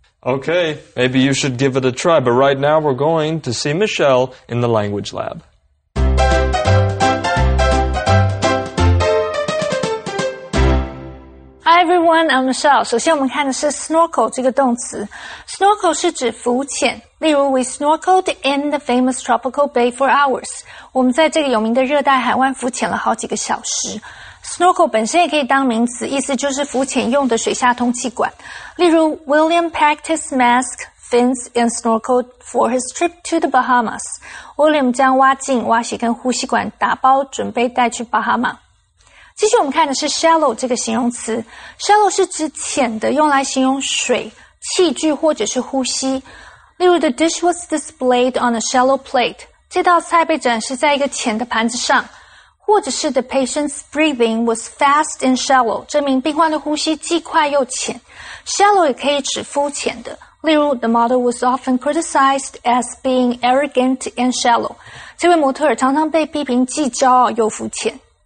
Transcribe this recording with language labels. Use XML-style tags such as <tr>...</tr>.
<en>Okay, maybe you should give it a try, but right now we're going to see Michelle in the language lab. Hi everyone, I'm Michelle.</en> <zh>首先我们看的是 snorkel 这个动词。 Snorkel 是指浮潜。例如</zh> <en>we snorkeled in the famous tropical bay for hours.</en> <zh>我们在这个有名的热带海湾浮潜了好几个小时。 Snorkel 本身也可以当名词，意思就是浮潜用的水下通气管。例如</zh> <en>William packed his mask, fins and snorkel for his trip to the Bahamas.</en> <zh>William 将蛙镜、蛙鞋跟呼吸管打包准备带去巴哈马。继续我们看的是 shallow 这个形容词。shallow 是指浅的，用来形容水、器具或者是呼吸。例如</zh> <en>the dish was displayed on a shallow plate.</en> <zh>这道菜被展示在一个浅的盘子上。或者是</zh> <en>the patient's breathing was fast and shallow.</en> <zh>这名病患的呼吸既快又浅。 shallow 也可以指肤浅的。例如</zh> <en>the model was often criticized as being arrogant and shallow.</en> <zh>这位模特儿常常被批评既骄傲又肤浅。</zh>